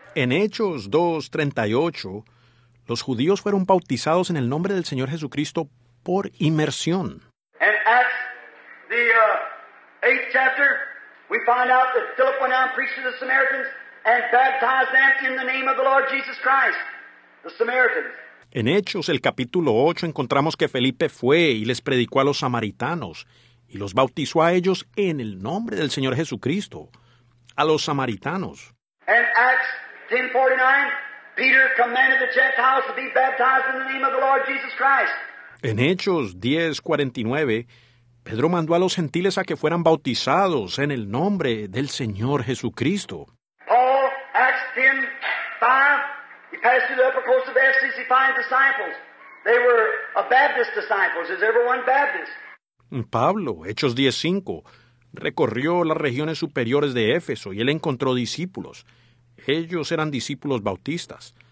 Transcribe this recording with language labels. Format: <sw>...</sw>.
<es>En Hechos 2:38, los judíos fueron bautizados en el nombre del Señor Jesucristo por inmersión.</es> <en>And Acts the 8th chapter, we find out that Philip went out and preached to the Samaritans and baptized them in the name of the Lord Jesus Christ. The Samaritans.</en> <es>En Hechos, el capítulo 8, encontramos que Felipe fue y les predicó a los samaritanos y los bautizó a ellos en el nombre del Señor Jesucristo, a los samaritanos.</es> <en>And Acts 10:49, Peter commanded the Gentiles to be baptized in the name of the Lord Jesus Christ.</en> <es>En Hechos 10:49, Pedro mandó a los gentiles a que fueran bautizados en el nombre del Señor Jesucristo.</es> <en>Paul, Acts 10:5, he passed through the upper coast of Ephesus, he finds disciples. They were a Baptist disciples. Is everyone Baptist?</en> <es>Pablo, Hechos 10:5, recorrió las regiones superiores de Éfeso y él encontró discípulos. Ellos eran discípulos bautistas.</es>